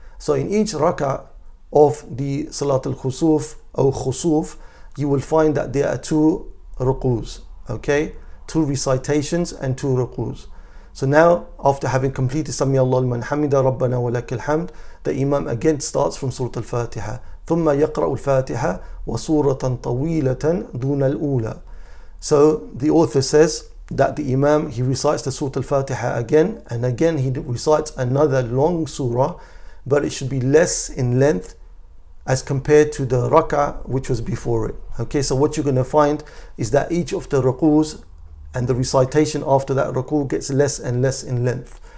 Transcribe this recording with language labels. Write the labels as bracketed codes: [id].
[en] So in each rak'ah of the Salat al-Khusuf or Khusuf, you will find that there are two ruku's, okay? Two recitations and two ruku's. So now, after having completed [ar] سمي الله لمن حمدا ربنا ولك الحمد, [en] the Imam again starts from Surah Al-Fatiha. [ar] ثم يقرأ الفاتحة وصورة طويلة دون الأولى. [en] So the author says that the Imam, he recites the Surah Al-Fatiha again, and again he recites another long surah, but it should be less in length as compared to the rak'ah which was before it. Okay, so what you're going to find is that each of the ruku's and the recitation after that ruku gets less and less in length.